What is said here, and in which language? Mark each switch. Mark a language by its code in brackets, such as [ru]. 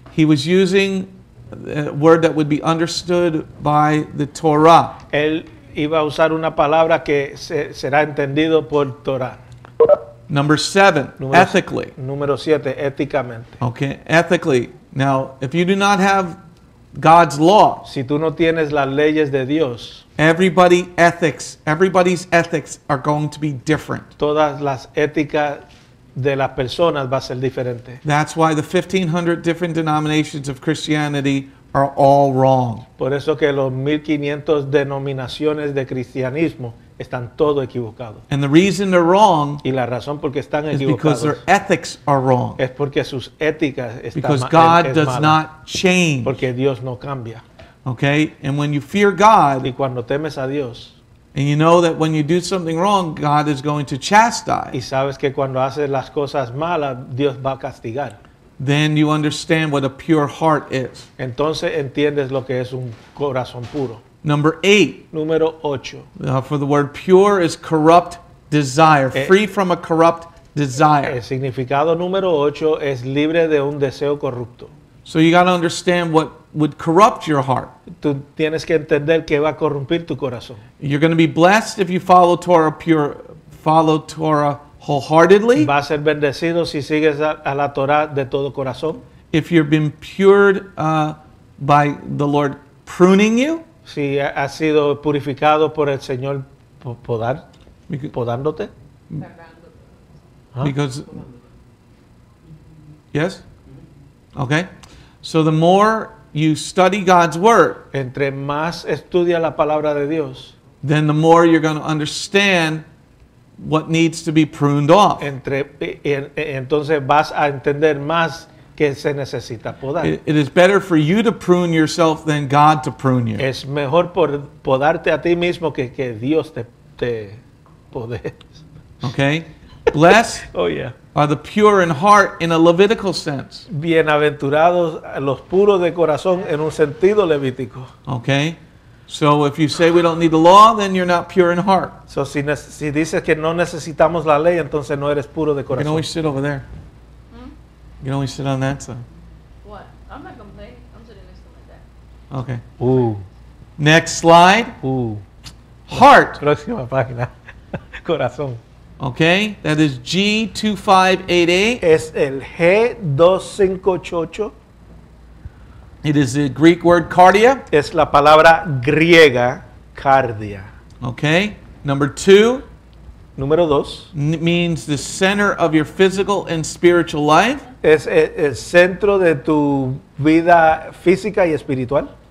[en] he was using a word that would be understood by the Torah. [es] Él iba a usar una palabra que será entendido por Torah. [en] Number seven, ethically. [es] Número siete, éticamente. [en] Okay, ethically. Now, if you do not have God's law, [es] si tú no tienes las leyes de Dios, [en] everybody's ethics are going to be different. [es] Todas las éticas de las personas va a ser diferente. [en] That's why the 1500 different denominations of Christianity are all wrong. [es] Por eso que los 1500 denominaciones de cristianismo están todo equivocados. [en] And the reason they're wrong, [es] y la razón porque están equivocados, [en] is because their ethics are wrong. [es] Es porque sus éticas están mal. [en] Because God does not change. [es] Porque Dios no cambia. [en] Okay? And when you fear God, [es] y cuando temes a Dios, [en] and you know that when you do something wrong, God is going to chastise, [es] y sabes que cuando haces las cosas malas, Dios va a castigar, [en] then you understand what a pure heart is. [es] Entonces entiendes lo que es un corazón puro. [en] Number eight. [es] Número ocho. [en] For the word pure is corrupt desire, free from a corrupt desire. [es] El significado número ocho es libre de un deseo corrupto. [en] So you got to understand what would corrupt your heart. [es] Tú tienes que entender qué va a corrompir tu corazón. [en] You're going to be blessed if you follow Torah pure, follow Torah wholeheartedly. [es] Va a ser bendecido si sigues a la Torah de todo corazón. [en] If you've been purified by the Lord pruning you. [es] Si has sido purificado por el Señor podándote. [en] Because, yes? Okay. So the more you study God's word, [es] entre más estudia la palabra de Dios, [en] then the more you're going to understand what needs to be pruned off. [es] Entonces vas a entender más que se necesita podar. [en] It is better for you to prune yourself than God to prune you. [es] Es mejor podarte a ti mismo que Dios te pode. [en] Okay. Blessed oh, yeah. are the pure in heart in a Levitical sense. [es] Bienaventurados los puros de corazón en un sentido levítico. [en] Okay. So if you say we don't need the law, then you're not pure in heart. [es] So si dices que no necesitamos la ley, entonces no eres puro de corazón. [en] You can always sit over there. You can always sit on that side. What? I'm not complaining. I'm sitting next to my dad. Okay. Ooh. Next slide. Ooh. Heart. [es] Próxima página. Corazón. [en] Okay, that is G2588. [es] Es el G2588. [en] It is the Greek word kardia. [es] Es la palabra griega, kardia. [en] Okay, number two. [es] Número dos. [en] Means the center of your physical and spiritual life. [es] Es el centro de tu vida física y espiritual.